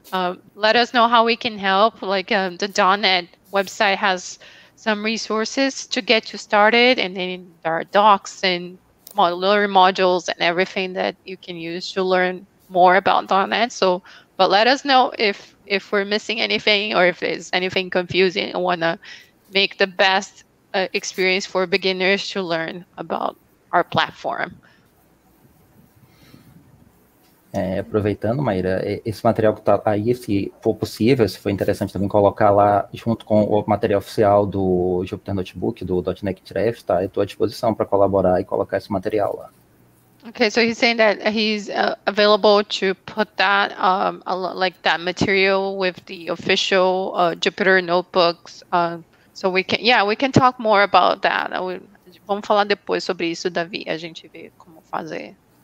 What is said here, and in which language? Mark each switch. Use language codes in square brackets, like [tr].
[en] Let us know how we can help. Like the .NET website has some resources to get you started, and then there are docs and learning modules and everything that you can use to learn more about .NET. So, but let us know if we're missing anything or if there's anything confusing and wanna make the best experience for beginners to learn about our platform. [pt] É, aproveitando, Maíra, esse material que está aí, se for possível, se for interessante também colocar lá junto com o material oficial do Jupyter Notebook, do .NET Treff, tá? Eu estou à disposição para colaborar e colocar esse material lá. [en] Okay, so he's saying that he's available to put that, like that material with the official Jupyter Notebooks. So we can talk more about that. [pt] Vamos falar depois sobre isso, Davi, a gente vê como fazer.